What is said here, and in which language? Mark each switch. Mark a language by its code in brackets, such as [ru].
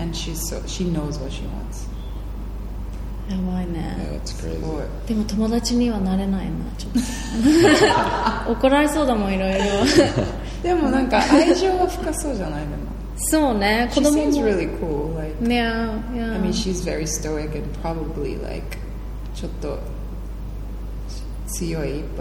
[en] And she's so, she knows what she wants. [ja] やばいね。 [en] That's crazy. [ja] でも友達にはなれないな、ちょっと。怒られそうだもん、いろいろ。でもなんか愛情は深そうじゃない、でも。そうね、子供も。 [en] She seems really cool, like, yeah, yeah. I mean, she's very stoic and probably, like, [ja] ちょっと強い、 [en] but...、